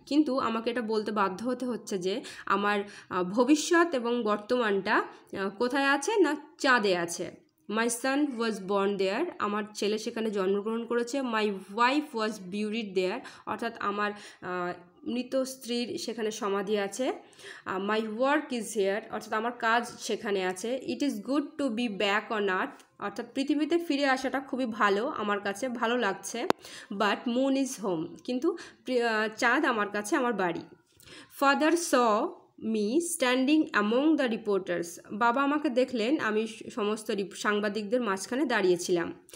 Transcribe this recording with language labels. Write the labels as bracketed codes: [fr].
[bn] কিন্তু আমাকে এটা বলতে বাধ্য হতে হচ্ছে যে আমার ভবিষ্যৎ এবং বর্তমানটা কোথায় আছে, না চাঁদে আছে। [en] My son was born there. [bn] আমার ছেলে সেখানে জন্মগ্রহণ করেছে। [en] My wife was buried there. [bn] অর্থাৎ আমার মৃত স্ত্রীর সেখানে সমাধি আছে। [en] My work is here. [bn] অর্থাৎ আমার কাজ সেখানে আছে। [en] It is good to be back on earth. [bn] অর্থাৎ পৃথিবীতে ফিরে আসাটা খুবই ভালো, আমার কাছে ভালো লাগছে। [en] but moon is home, [bn] কিন্তু চাঁদ আমার কাছে আমার বাড়ি। [en] father saw me standing among the reporters, [bn] বাবা আমাকে দেখলেন আমি সমস্ত সাংবাদিকদের মাঝখানে দাঁড়িয়েছিলাম।